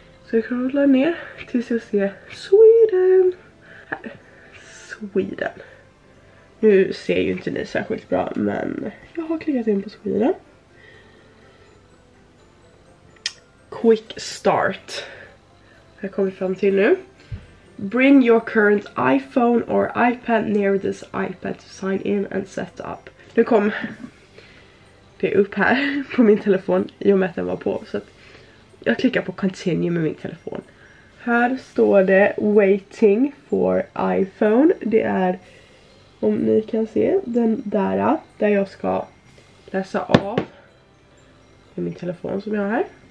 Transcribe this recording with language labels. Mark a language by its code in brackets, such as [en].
[sv] Så jag scrollar ner tills jag ser Sweden. Här, Sweden. Nu ser ju inte ni särskilt bra, men jag har klickat in på Sweden. Quick start. Här kommer vi fram till nu. [en] Bring your current iPhone or iPad near this iPad to sign in and set up. [sv] Nu kom det upp här på min telefon i och med att den var på. Så att jag klickar på continue med min telefon. Här står det [en] waiting for iPhone. [sv] Det är, om ni kan se, den där jag ska läsa av med min telefon som jag har här.